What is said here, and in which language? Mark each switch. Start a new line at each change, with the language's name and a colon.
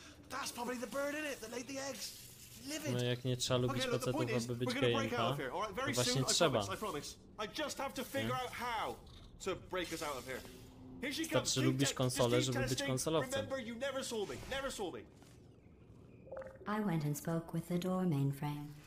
English: That's probably the bird in it that laid the eggs. Livid.
Polish: No jak nie trzeba lubić facetów, aby być gejem,
English: right? Very soon,
Polish: trzeba.
English: I promise. I just have to figure out how to break us out of here. Here she comes.
Polish: Czy lubisz konsolę, żeby być konsolowcem?
English: Remember, you never saw me. Never saw me. I went and spoke with the door mainframe.